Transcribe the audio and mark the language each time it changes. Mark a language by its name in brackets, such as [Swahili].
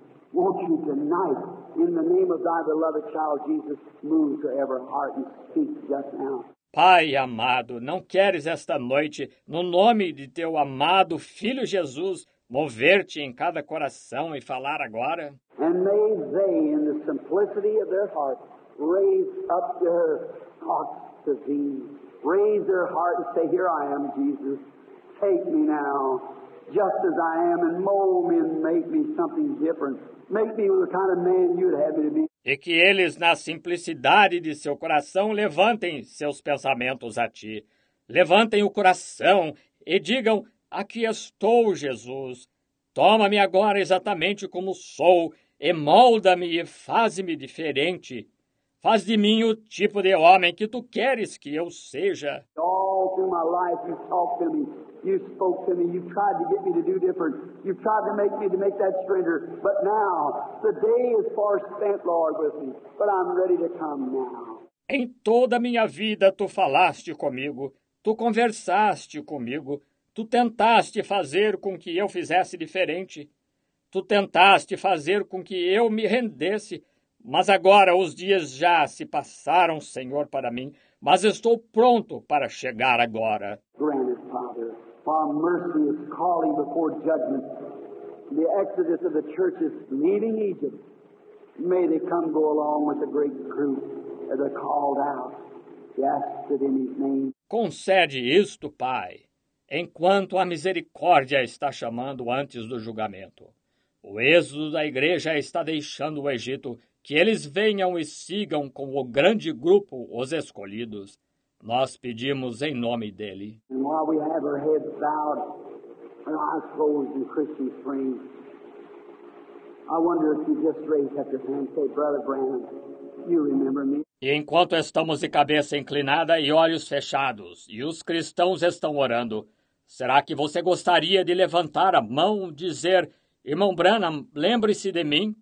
[English] Won't you tonight, in the name of thy beloved child Jesus, move to every heart and speak just now? [Portuguese] Pai amado, não queres esta noite, no nome de teu amado Filho Jesus, mover-te em cada coração e falar agora? [English] And may they, in the simplicity of their heart, raise up their hearts to thee. Raise their heart and say, here I am, Jesus. Take me now, just as I am, and mold me and make me something different. Make me the kind of man you'd have me to be. [Portuguese] E que eles, na simplicidade de seu coração, levantem seus pensamentos a ti. Levantem o coração e digam, aqui estou, Jesus. Toma-me agora exatamente como sou e molda-me e faz-me diferente. Faz de mim o tipo de homem que tu queres que eu seja. [English] All through my life you talked to me. You spoke to me, you tried to get me to do different. You tried to make me to make that surrender. But now, the day is far spent, Lord, with me. But I'm ready to come now. [Portuguese] Em toda minha vida, tu falaste comigo. Tu conversaste comigo. Tu tentaste fazer com que eu fizesse diferente. Tu tentaste fazer com que eu me rendesse. Mas agora os dias já se passaram, Senhor, para mim. Mas estou pronto para chegar agora. [English] Granted, Father. Our mercy is calling before judgment. The exodus of the church is leaving Egypt. May they come go along with the great group as they're called out. We ask it in His name. [Portuguese] Concede isto, Pai, enquanto a misericórdia está chamando antes do julgamento. O êxodo da igreja está deixando o Egito. Que eles venham e sigam com o grande grupo, os escolhidos. Nós pedimos em nome dele. [English] And while we have our heads bowed and our eyes closed in Christian frame, I wonder if you just raise up your hand and say, Brother Branham, you remember me? [Portuguese] E enquanto estamos de cabeça inclinada e olhos fechados, e os cristãos estão orando, será que você gostaria de levantar a mão e dizer, Irmão Branham, lembre-se de mim?